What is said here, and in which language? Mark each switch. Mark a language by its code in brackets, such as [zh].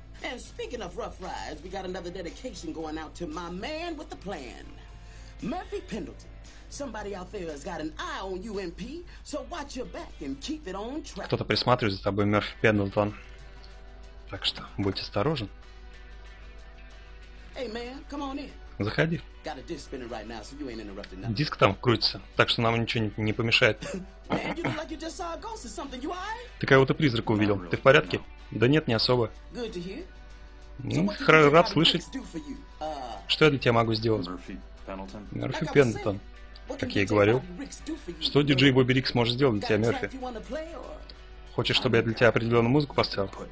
[en] And speaking of rough rides, we got another dedication going out to my man with the plan, Murphy Pendleton. Somebody out there has got an eye on you, MP, so watch your back and keep it on track. [ru] Кто-то присматривает за тобой, Мерфи Пендлтон. Так что будь осторожен. [en] Hey man, come on in. [ru] Заходи. [en] Got a disc spinning right now, so you ain't interrupting nothing. [ru] Диск там крутится, так что нам ничего не помешает. [en] Man, you look like you just saw a ghost or something. You alright? [ru] Ты кого-то призрака увидел. Ты в порядке? Да нет, не особо. Ну, рад слышать. Что я для тебя могу сделать? Мерфи Пендлтон. Как я и говорил. Что диджей Бобби Рикс может сделать для тебя, Мерфи? Хочешь, чтобы я для тебя определенную музыку поставил?